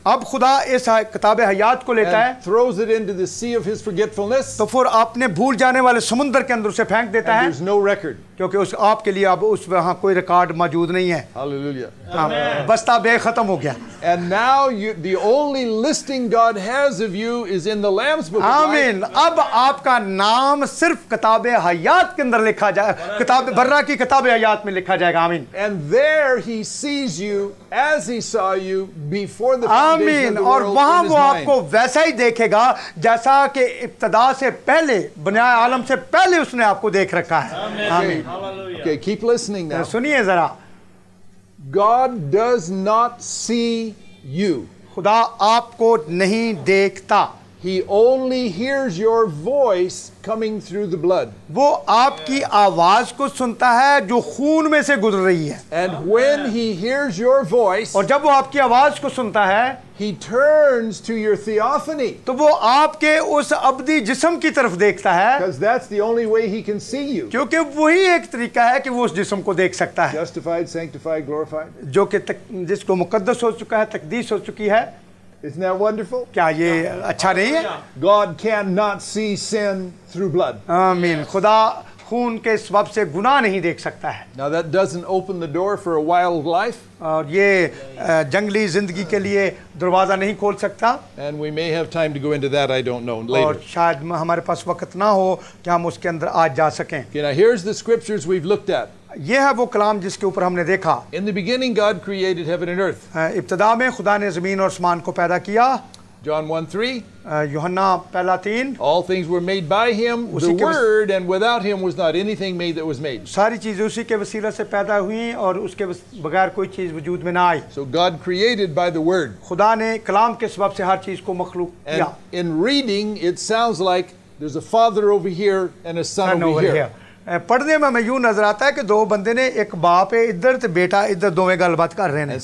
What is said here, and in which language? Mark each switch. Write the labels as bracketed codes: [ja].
[hi] अब खुदा इस किताब हयात को लेता है. [en] Throws it into the sea of his forgetfulness. [hi] तो फिर आपने भूल जाने वाले समुद्र के अंदर उसे फेंक देता है. [en] There's no record. [hi] क्योंकि उस आपके लिए अब उस वहां कोई रिकॉर्ड मौजूद नहीं है. [en] Hallelujah. [hi] बस्ता बेखत्म हो गया. [en] And now you, the only listing God has of you is in the Lamb's book. Amen. [hi] अब आपका नाम सिर्फ किताब हयात के अंदर लिखा जाएगा. किताब बर्रा की किताब हयात में लिखा जाएगा. [en] Amen. And there he sees you as he saw you before the foundation of the world. [hi] और वहां वो आपको वैसा ही देखेगा जैसा कि इब्तिदा से पहले, बनाए आलम से पहले उसने आपको देख रखा है. [en] Amen. Okay, keep listening now. [hi] सुनिए जरा. [en] God does not see you. [hi] खुदा आपको नहीं देखता. [en] He only hears your voice coming through the blood. [hi] वो आपकी आवाज को सुनता है जो खून में से गुजर रही है. [en] And when he hears your voice, [hi] और जब वो आपकी आवाज को सुनता है, [en] he turns to your theophany. [hi] तो वो आपके उस अब्दी जिस्म की तरफ देखता है. [en] Because that's the only way he can see you. [hi] क्योंकि वही एक तरीका है कि वो उस जिस्म को देख सकता है. [en] Justified, sanctified, glorified. [hi] जो कि जिसको मुकद्दस हो चुका है, तकदीस हो चुकी है. [en] Isn't that wonderful? [hi] क्या ये अच्छा नहीं है? [en] God cannot see sin through blood. [hi] आमीन. खुदा खून के सबब से गुनाह नहीं देख सकता है. [en] Now that doesn't open the door for a wild life. [hi] और ये जंगली जिंदगी के लिए दरवाजा नहीं खोल सकता. [en] And we may have time to go into that. I don't know. Later. [hi] और शायद हमारे पास वक्त ना हो कि हम उसके अंदर आज जा सकें. [en] Okay, now here's the scriptures we've looked at. [hi] यह है वो कलाम जिसके ऊपर हमने देखा. [en] In the beginning God created heaven and earth. [hi] इब्तिदा में खुदा ने जमीन और आसमान को पैदा किया. [en] John 1:3. [hi] यूहन्ना पहला 3. [en] All things were made by him, the word, and without him was not anything made that was made. [hi] सारी चीजें उसी के वसीले से पैदा हुई और उसके बगैर कोई चीज वजूद में ना आई. [en] So God created by the word. [hi] खुदा ने कलाम के सबब से हर चीज को मखलूक किया. [en] In reading it sounds like there's a father over here and a son over here. [hi] पढ़ने में हमें यूं नजर आता है कि दो बंदे ने, एक बाप है इधर तो बेटा इधर, दोवें गलबात कर रहे हैं.